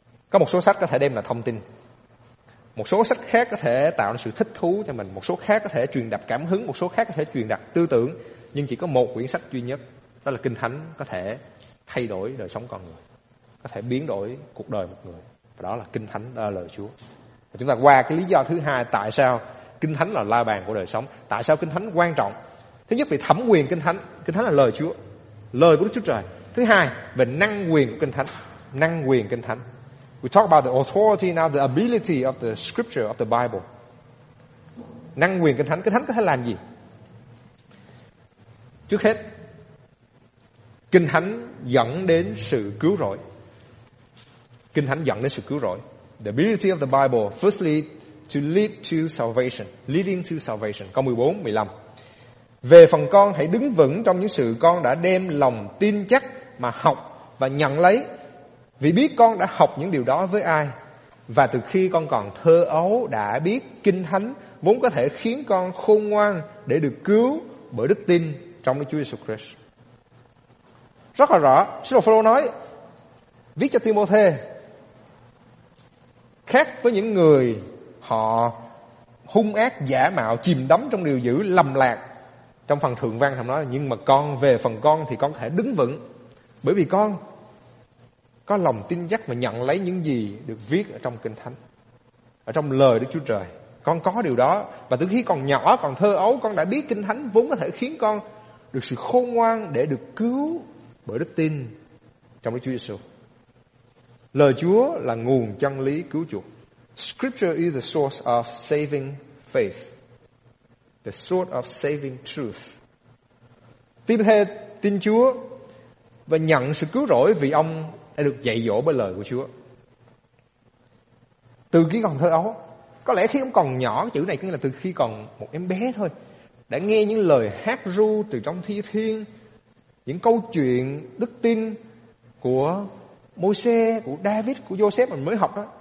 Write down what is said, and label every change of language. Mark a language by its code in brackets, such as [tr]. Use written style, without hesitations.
[vi] Có một số sách có thể đem là thông tin, một số sách khác có thể tạo sự thích thú cho mình, một số khác có thể truyền đạt cảm hứng, một số khác có thể truyền đạt tư tưởng, nhưng chỉ có một quyển sách duy nhất, đó là Kinh Thánh, có thể thay đổi đời sống con người, có thể biến đổi cuộc đời một người, và đó là Kinh Thánh, đó là lời Chúa. Và chúng ta qua cái lý do thứ hai, tại sao Kinh Thánh là la bàn của đời sống, tại sao Kinh Thánh quan trọng. Thứ nhất, về thẩm quyền Kinh Thánh. Kinh Thánh là lời Chúa, lời của Đức Chúa Trời. Thứ hai, về năng quyền của Kinh Thánh. Năng quyền Kinh Thánh. [en] We talk about the authority, now the ability of the scripture of the Bible. [vi] Năng quyền Kinh Thánh. Kinh Thánh có thể làm gì? Trước hết, Kinh Thánh dẫn đến sự cứu rỗi. Kinh Thánh dẫn đến sự cứu rỗi. [en] The ability of the Bible, firstly, to lead to salvation. Leading to salvation. [vi] Câu 14, 15. Về phần con, hãy đứng vững trong những sự con đã đem lòng tin chắc mà học và nhận lấy. Vì biết con đã học những điều đó với ai, và từ khi con còn thơ ấu đã biết Kinh Thánh, vốn có thể khiến con khôn ngoan để được cứu bởi đức tin trong Đức Chúa Jesus Christ. Rất là rõ, sứ đồ Phaolô nói, viết cho Timôthê, khác với những người họ hung ác, giả mạo, chìm đắm trong điều dữ, lầm lạc trong phần thượng văn, nói, nhưng mà con, về phần con thì con có thể đứng vững, bởi vì con có lòng tin chắc mà nhận lấy những gì được viết ở trong Kinh Thánh, ở trong lời Đức Chúa Trời. Con có điều đó, và từ khi còn nhỏ, còn thơ ấu, con đã biết Kinh Thánh vốn có thể khiến con được sự khôn ngoan để được cứu bởi đức tin trong Đức Chúa Giêsu. Lời Chúa là nguồn chân lý cứu chuộc. [en] Scripture is the source of saving faith, the source of saving truth. [vi] Tiếp theo, tin Chúa và nhận sự cứu rỗi vì ông đã được dạy dỗ bởi lời của Chúa. Từ khi còn thơ ấu, có lẽ khi ông còn nhỏ, chữ này có nghĩa là từ khi còn một em bé thôi, đã nghe những lời hát ru từ trong Thi Thiên, những câu chuyện đức tin của Môi-se, của David, của Joseph mình mới học đó.